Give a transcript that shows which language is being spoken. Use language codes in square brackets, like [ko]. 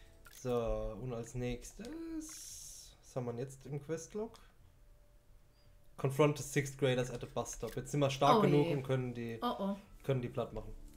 [de] So, und als nächstes, was haben wir jetzt im Questlog? [en] Confront the Sixth Graders at the Bus Stop. [de] Jetzt sind wir stark genug und können die, können die platt machen.